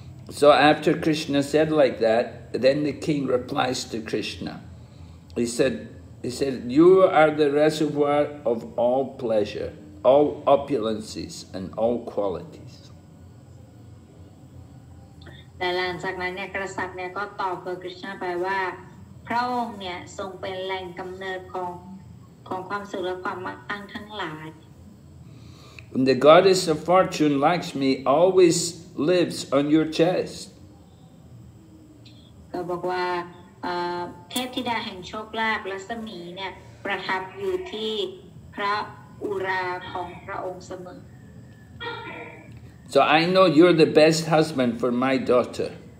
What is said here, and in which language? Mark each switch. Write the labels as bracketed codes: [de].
[en] So after Krishna said like that, then the king replies to Krishna. He said, you are the reservoir of all pleasure, all opulences and all qualities. [th] แต่หลังจากนั้นเนี่ยกษัตริย์เนี่ยก็ตอบกับคริชนาไปว่าพระองค์เนี่ยทรงเป็นแหล่งกำเนิดของความสุขและความมั่งคั่งทั้งหลาย [en] When the goddess of fortune Lakshmi always lives on your chest [th] ก็บอกว่าเทพธิดาแห่งโชคลาภรัศมีเนี่ยประทับอยู่ที่พระอุราของพระองค์เสมอ [en] So I know you're the best husband for my daughter.